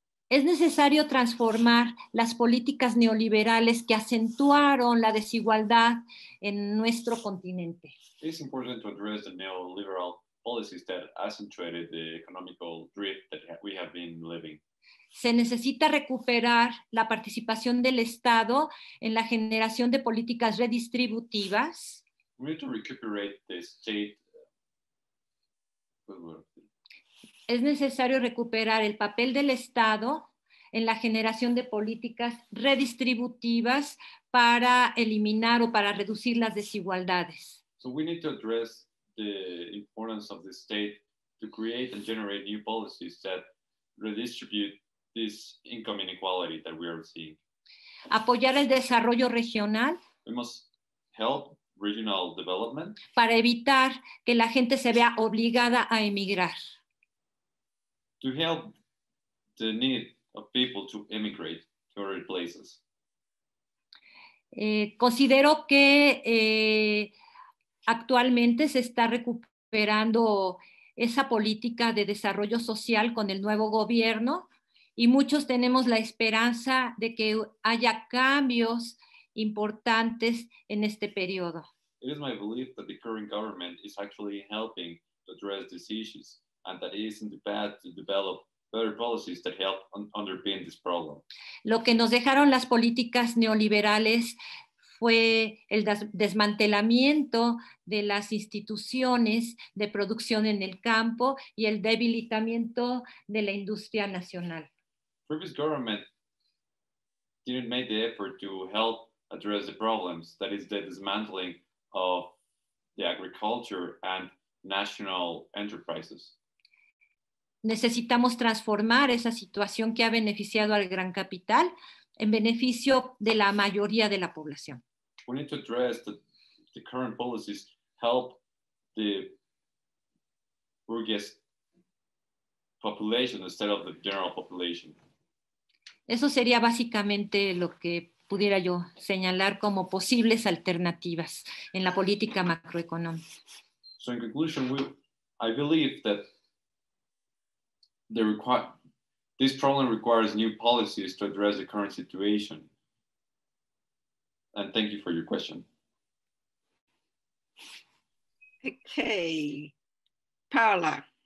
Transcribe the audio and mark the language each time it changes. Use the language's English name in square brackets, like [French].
[Spanish] Es necesario transformar las políticas neoliberales que acentuaron la desigualdad en nuestro continente. [English] It's important to address the neoliberal policies that accentuated the economical drift that we have been living. [Spanish] Se necesita recuperar la participación del Estado en la generación de políticas redistributivas. [English] We need to recuperate the state. [Spanish] Es necesario recuperar el papel del Estado en la generación de políticas redistributivas para eliminar o para reducir las desigualdades. [English] So we need to address the importance of the state to create and generate new policies that redistribute this income inequality that we are seeing. [Spanish] Apoyar el desarrollo regional. [English] We must help regional development. [Spanish] Para evitar que la gente se vea obligada a emigrar. [English] To help the need of people to immigrate to other places. [Spanish] Considero que actualmente se está recuperando esa política de desarrollo social con el nuevo gobierno y muchos tenemos la esperanza de que haya cambios importantes en este periodo. [English] It is my belief that the current government is actually helping to address these issues, and that it isn't bad to develop better policies that help underpin this problem. [Spanish] Lo que nos dejaron las políticas neoliberales fue el desmantelamiento de las instituciones de producción en el campo y el debilitamiento de la industria nacional. [English] Previous government didn't make the effort to help address the problems, that is the dismantling of the agriculture and national enterprises. [Spanish] Necesitamos transformar esa situación que ha beneficiado al gran capital en beneficio de la mayoría de la población. [English] We need to address the current policies help the burgess population instead of the general population. [Spanish] Eso sería básicamente lo que pudiera yo señalar como posibles alternativas en la política macroeconómica. [English] So in conclusion, I believe that this problem requires new policies to address the current situation. And thank you for your question. Okay, Paola.